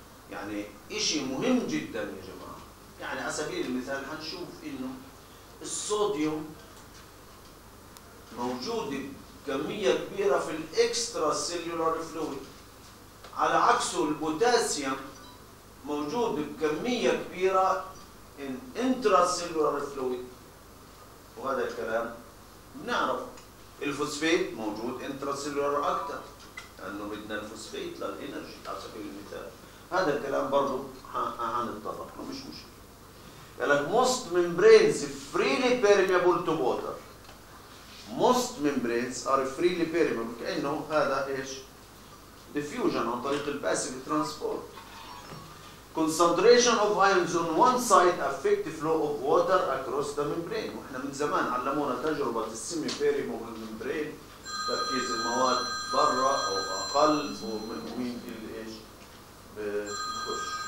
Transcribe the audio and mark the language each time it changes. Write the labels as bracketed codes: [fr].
[ar] يعني شيء مهم جدا يا جماعه، يعني على سبيل المثال حنشوف انه الصوديوم موجود كميه كبيره في الاكسترا سيلولار فلويد، على عكس البوتاسيوم موجود بكميه كبيره ان انترا سيلولار فلويد. وهذا الكلام بنعرف الفوسفيت موجود انترا سيلولار اكثر، لانه بدنا الفوسفيت للانرجي على سبيل المثال. هذا الكلام برضو هنتطرق له، مش مشكله. قال لك [en] most membranes freely permeable to water. most membranes are freely permeable، [ar] كانه هذا ايش؟ [en] diffusion [ar] عن طريق [en] الباسيف transport. concentration of ions on one side affect flow of water across the membrane. [ar] واحنا من زمان علمونا تجربه السيمي بيريموبل ممبرين، تركيز المواد برا او اقل، ومين اللي ايش؟ بخش.